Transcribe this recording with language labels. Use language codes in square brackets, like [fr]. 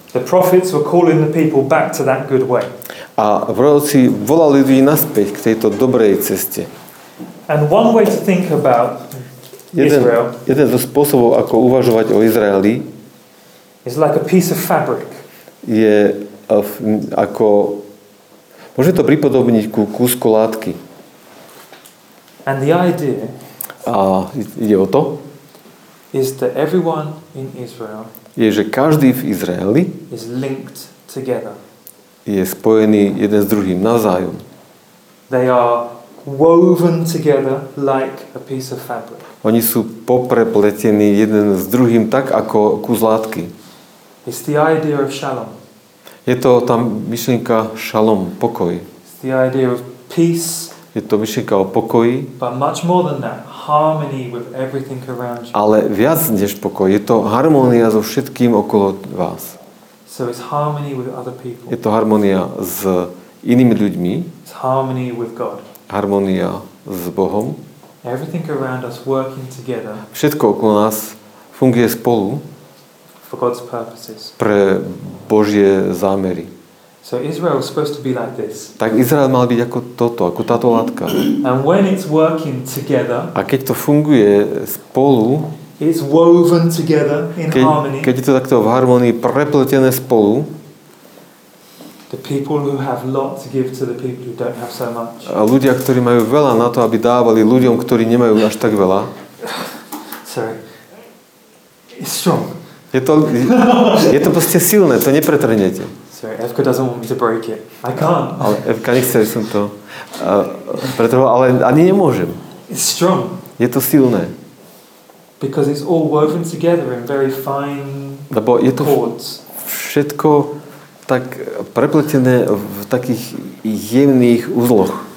[en] The prophets were calling the people back to that good way. [sk] A proroci volali ľudí naspäť k tejto dobrej ceste. [en] And one way to think about Israel. [sk] Jeden zo spôsobov, ako uvažovať o Izraeli, [en] is like a piece of fabric. [sk] Je ako môže to pripodobniť ku kúsku látky. [en] And the idea. [sk] A ide o to. [en] Is that everyone in Israel? [sk] Je, že každý v Izraeli [en] is linked together. [sk] Je spojený jeden s druhým navzájom. [en] They are woven together like a piece of fabric. [sk] Oni sú poprepletení jeden s druhým tak ako kus látky. [en] It's the idea of shalom. [sk] Je to tam myšlienka šalom, pokoj. [en] It's the idea of peace. [sk] Je to myšlienka o pokoji. [en] But much more than that, harmony with everything around you. [sk] Ale viac než pokoj, je to harmónia so všetkým okolo vás. [en] So it's harmony with other people. [sk] Je to harmónia s inými ľuďmi. [en] It's harmony with God. [sk] Harmónia s Bohom. [en] Everything around us working together. [sk] Všetko okolo nás funguje spolu. [en] For God's purposes. [sk] Pre Božie zámery. [en] So Israel was supposed to be like this. [sk] Tak Izrael mal byť ako toto, ako táto látka. [en] And when it's working together. [sk] A keď to funguje spolu. [en] It's woven together in harmony. [sk] Keď je to takto v harmonii prepletené spolu. [en] The people who have lot to give to the people who don't have so much. [sk] A ľudia, ktorí majú veľa na to, aby dávali ľuďom, ktorí nemajú až tak veľa. [en] Sorry. It's strong. [sk] Je to proste silné, to nepretrhnete. [en] Sorry, Evka doesn't want me to break it. I can't. [sk] Ale Evka nechce, že som to pretrhol, ale ani nemôžem. [en] It's strong. [sk] Je to silné. [en] Because it's all woven together in very fine cords. [sk] Lebo je to všetko tak prepletené v takých jemných uzloch.